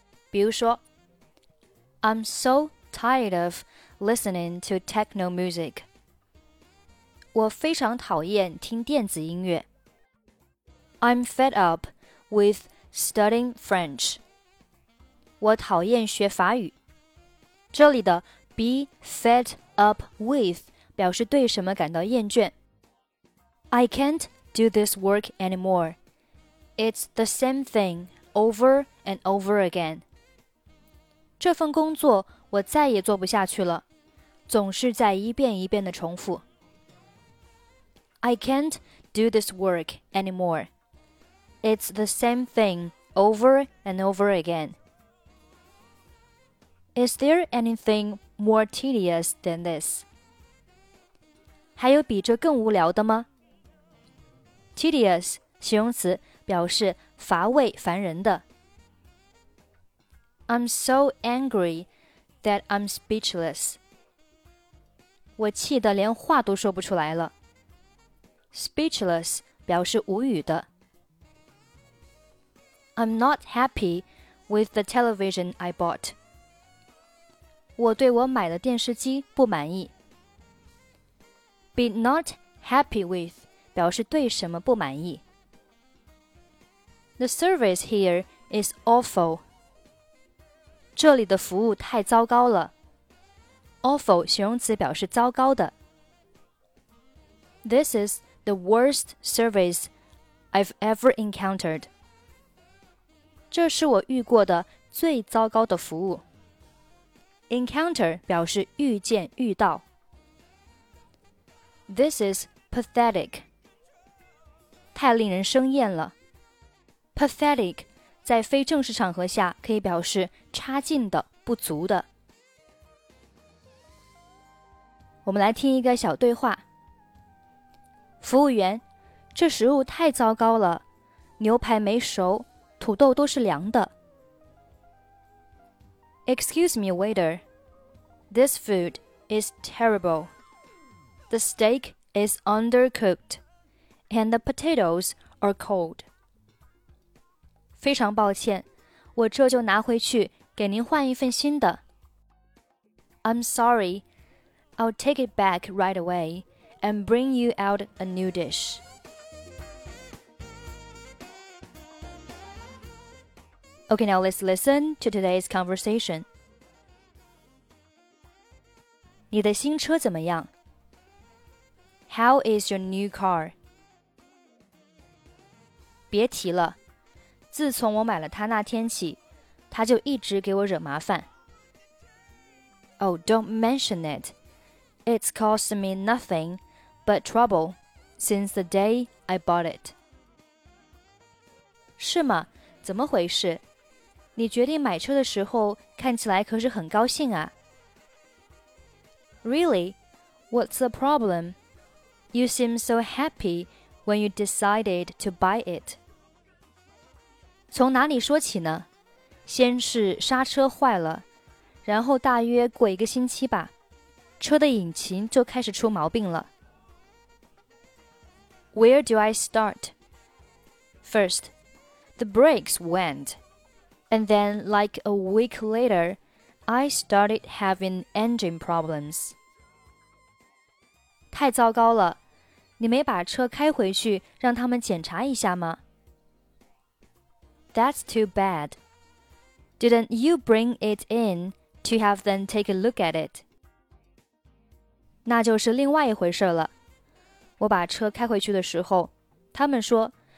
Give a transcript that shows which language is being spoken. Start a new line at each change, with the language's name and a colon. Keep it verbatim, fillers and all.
Chinese: 比如说
English: I'm so tired of listening to techno music.
Chinese: 我非常讨厌听电子音乐。
English: I'm fed up with studying French.
Chinese: 我讨厌学法语。这里的
English: be fed up with
Chinese: 表示对什么感到厌倦。
English: I can't do this work anymore. It's the same thing over and over again.
Chinese: 这份工作我再也做不下去了，总是在一遍一遍的重复。
English: I can't do this work anymore. It's the same thing over and over again. Is there anything more tedious than this?
Chinese: 还有比这更无聊的吗 ？Tedious 形容词表示乏味、烦人的。
English: I'm so angry that I'm speechless.
Chinese: 我气得连话都说不出来了。 Speechless 表示无语的。
English: I'm not happy with the television I bought.
Chinese: 我对我买的电视机不满意。
English: Be not happy with
Chinese: 表示对什么不满意。
English: The service here is awful.
Chinese: 这里的服务太糟糕了。 Awful 形容词表示糟糕的。
English: This is the worst service I've ever encountered.
Chinese: 这是我遇过的最糟糕的服务。 Encounter 表示遇见、遇到。
English: This is pathetic.
Chinese: 太令人生厌了。 Pathetic 在非正式场合下可以表示差劲的、不足的。我们来听一个小对话。服务员，这食物太糟糕了，牛排没熟。土豆都是凉的。
English: Excuse me, waiter. This food is terrible. The steak is undercooked, and the potatoes are cold.
Chinese: 非常抱歉，我这就拿回去给您换一份新的。
English: I'm sorry. I'll take it back right away and bring you out a new dish. Okay, now let's listen to today's conversation.
Chinese: 你的新车怎么样?
English: How is your new car?
Chinese: 别提了，自从我买了它那天起，它就一直给我惹麻烦。
English: Oh, don't mention it. It's caused me nothing but trouble since the day I bought it.
Chinese: 是吗？怎么回事？你决定买车的时候看起来可是很高兴啊。
English: Really? What's the problem? You seem so happy when you decided to buy it.
Chinese: 从哪里说起呢？先是刹车坏了，然后大约过一个星期吧，车的引擎就开始出毛病了。
English: Where do I start? First, the brakes went. And then, like a week later, I started having engine problems.
Chinese: 太糟糕了，你没把车开回去让他们检查一下吗？
English: That's too bad. Didn't you bring it in to have them take a look at it?
Chinese: 那就是另外一回事了。我把车开回去的时候，他们说